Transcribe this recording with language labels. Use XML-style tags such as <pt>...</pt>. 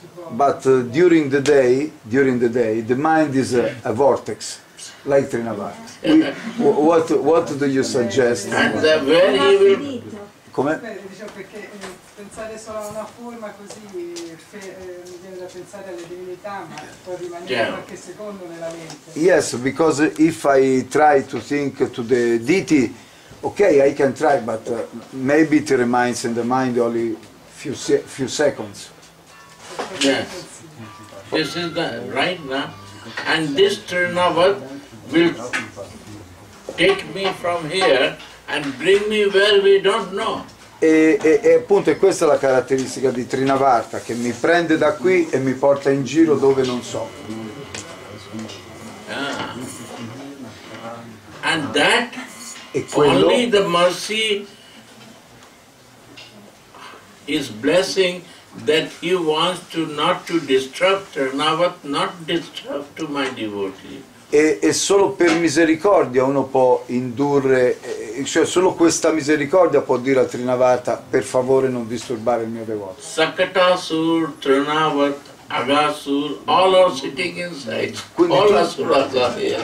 <en>But during the day, the mind is a vortex, like Trinavarta. What do you suggest? And very evil.</en> <it>Come? Diciamo perché pensare solo a una forma così mi viene da pensare alle divinità, ma può rimanere qualche secondo nella mente.</it> <en>Yes, because if I try to think to the deity. Okay, I can try, but maybe it remains in the mind only few seconds. Yes, this is the right now, and this Trinavat will take me from here and bring me where we don't know.</en> <it>E appunto è questa la caratteristica di Trinavarta, che mi prende da qui e mi porta in giro dove non so.</it> <en>Ah. And that.</en> <it>E quello,</it> <en>only the mercy is blessing that he wants to not to disturb Trinavat, not disturb to my devotee.</en> <it>E solo per misericordia uno può indurre, cioè solo questa misericordia può dire a Trinavata, per favore non disturbare il mio devoto.</it> <en>Sakatasur, Trinavat, Agasur, all are sitting inside. All Asuras are here.</en>